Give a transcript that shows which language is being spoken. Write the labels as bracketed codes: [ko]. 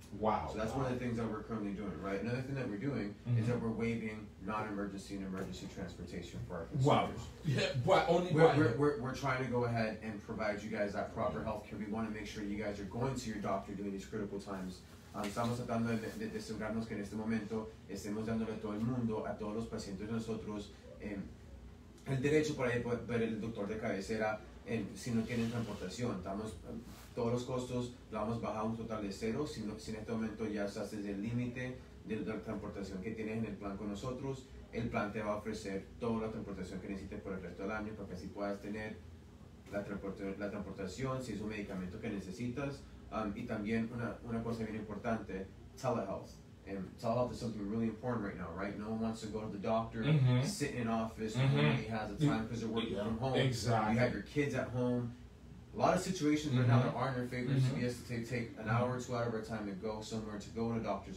[en] Wow. So that's wow. one of the things that we're currently doing, right? Another thing that we're doing mm-hmm. is that we're waiving non-emergency and emergency transportation for our consumers. Wow. Yeah, but only we're trying to go ahead and provide you guys that proper health care. We want to make sure you guys are going to your doctor during these critical times. [es] Estamos tratando de asegurarnos que en este momento estemos dándole todo el mundo a todos los pacientes de nosotros el derecho para ir a ver el doctor de cabecera si no tienen transportación. Estamos, todos los costos lo vamos a bajar a un total de cero si en este momento ya estás desde el límite de la transportación que tienes en el plan con nosotros. El plan te va a ofrecer toda la transportación que necesites por el resto del año para que así puedas tener la transportación, si es un medicamento que necesitas. Y también una cosa bien importante, telehealth. [en] And telehealth is something really important right now, right? No one wants to go to the doctor, mm-hmm. sit in an office, mm-hmm. nobody has the time because they're working yeah. from home. Exactly. You have your kids at home. A lot of situations mm-hmm. right now that aren't in your favor, mm-hmm. so you have to take an hour or 2 hours of our time to go somewhere, to go to a doctor's